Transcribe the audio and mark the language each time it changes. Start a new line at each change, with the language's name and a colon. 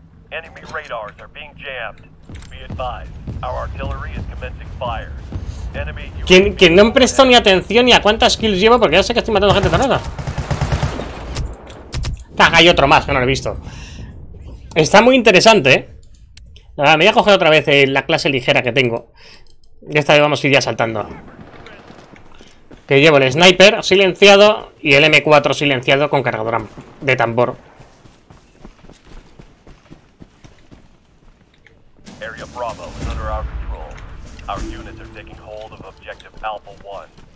English: Enemy radars are being jammed. Be advised, our artillery is commencing fire.
Spanish: Que no han prestado ni atención ni a cuántas kills llevo, porque ya sé que estoy matando gente tarada. Ah, hay otro más que no lo he visto. Está muy interesante, ¿eh? Ahora, me voy a coger otra vez la clase ligera que tengo. Y esta vez vamos a ir ya saltando. Que llevo el sniper silenciado y el M4 silenciado con cargador de tambor.
English: Area Bravo is under our control. Our units are taking hold of objective Alpha 1.